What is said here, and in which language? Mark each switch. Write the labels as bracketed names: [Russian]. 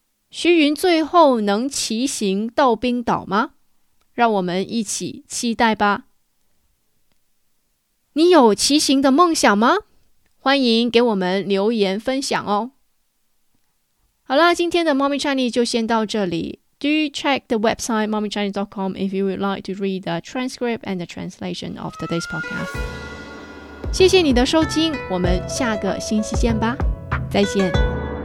[Chinese] 徐云最后能骑行到冰岛吗？让我们一起期待吧。你有骑行的梦想吗？欢迎给我们留言分享哦。好啦，今天的 Mommy Chinese 就先到这里。 [English] Do check the website mommychinese.com if you would like to read the transcript and the translation of today's podcast. [Chinese] 谢谢你的收听，我们下个星期见吧，再见。